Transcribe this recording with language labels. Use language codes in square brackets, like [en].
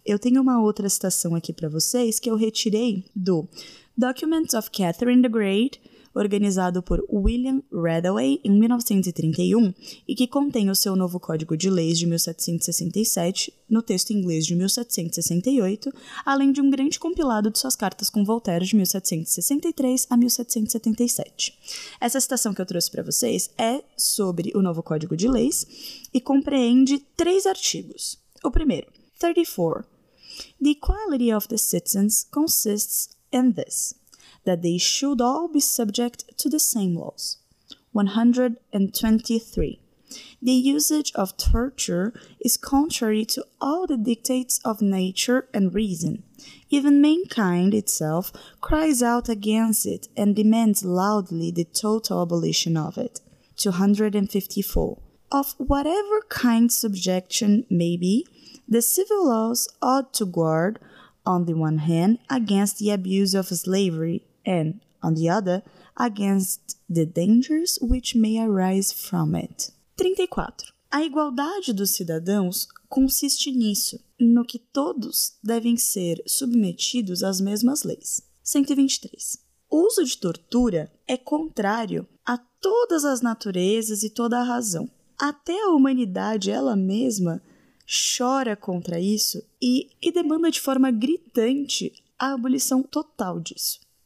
[pt] Eu tenho uma outra citação aqui para vocês que eu retirei do Documents of Catherine the Great, organizado por William Radaway em 1931, e que contém o seu novo Código de Leis de 1767, no texto inglês de 1768, além de um grande compilado de suas cartas com Voltaire de 1763 a 1777. Essa citação que eu trouxe para vocês é sobre o novo Código de Leis e compreende três artigos. O primeiro, 34. [en] The equality of the citizens consists in this: that they should all be subject to the same laws. 123. The usage of torture is contrary to all the dictates of nature and reason. Even mankind itself cries out against it and demands loudly the total abolition of it. 254. Of whatever kind subjection may be, the civil laws ought to guard, on the one hand, against the abuse of slavery, and, on the other, against the dangers which may arise from it. [pt] 34. A igualdade dos cidadãos consiste nisso, no que todos devem ser submetidos às mesmas leis. 123. O uso de tortura é contrário a todas as naturezas e toda a razão. Até a humanidade ela mesma chora contra isso e demanda de forma gritante a abolição total disso.